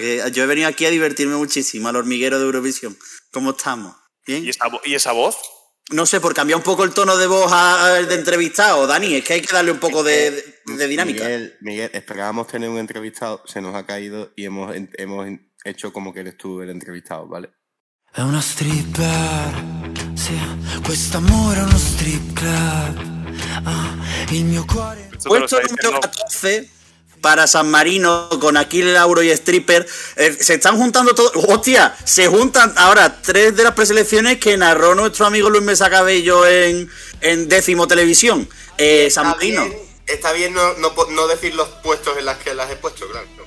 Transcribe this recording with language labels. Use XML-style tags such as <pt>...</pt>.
<es>Que yo he venido aquí a divertirme muchísimo, al hormiguero de Eurovisión. ¿Cómo estamos? ¿Bien? ¿Y esa voz? No sé, por cambiar un poco el tono de voz al de entrevistado, Dani. Es que hay que darle un poco de dinámica. Miguel, esperábamos tener un entrevistado, se nos ha caído y hemos hecho como que eres tú el entrevistado, ¿vale?</es> <it>È uno stripper, sì, quest'amore è uno strip club, il mio cuore...</it> <es>Puesto número 14 para San Marino con Aquile, Lauro y Stripper, se están juntando todos... ¡Hostia! Se juntan ahora tres de las preselecciones que narró nuestro amigo Luis Mesa Cabello en Décimo Televisión, San Marino. Está bien no decir los puestos en los que las he puesto, claro.</es>